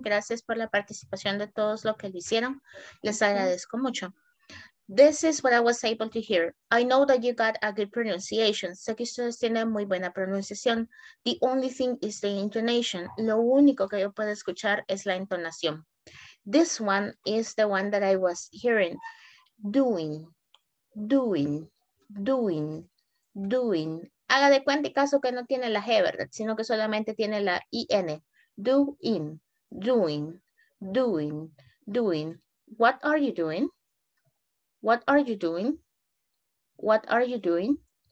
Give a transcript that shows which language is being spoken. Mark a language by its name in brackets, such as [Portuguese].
[Spanish] Gracias por la participación de todos los que lo hicieron. Les agradezco mucho. [English] This is what I was able to hear. I know that you got a good pronunciation. [Spanish] Sé que ustedes tienen muy buena pronunciación. [English] The only thing is the intonation. [Spanish] Lo único que yo puedo escuchar es la entonación. [English] This one is the one that I was hearing. Doing, doing, doing, doing. [Spanish] Haga de cuenta y caso que no tiene la G, ¿verdad? Sino que solamente tiene la IN. [English] Doing, doing, doing, doing. What are you doing? What are you doing? What are you doing?